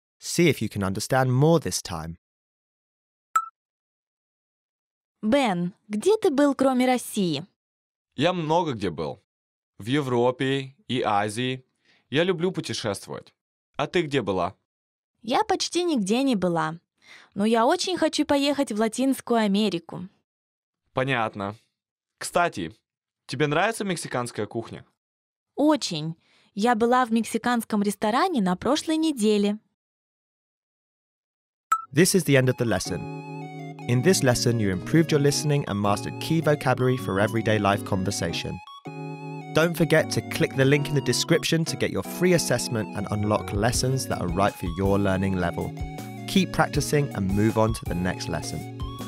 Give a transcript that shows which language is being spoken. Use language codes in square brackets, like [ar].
[en] See if you can understand more this time. [ru] Бен, где ты был, кроме России? Я много где был. В Европе и Азии. Я люблю путешествовать. А ты где была? Я почти нигде не была. Но я очень хочу поехать в Латинскую Америку. Понятно. Кстати, тебе нравится мексиканская кухня? Очень. Я была в мексиканском ресторане на прошлой неделе. [en] This is the end of the lesson. In this lesson, you improved your listening and mastered key vocabulary for everyday life conversation. Don't forget to click the link in the description to get your free assessment and unlock lessons that are right for your learning level. Keep practicing and move on to the next lesson.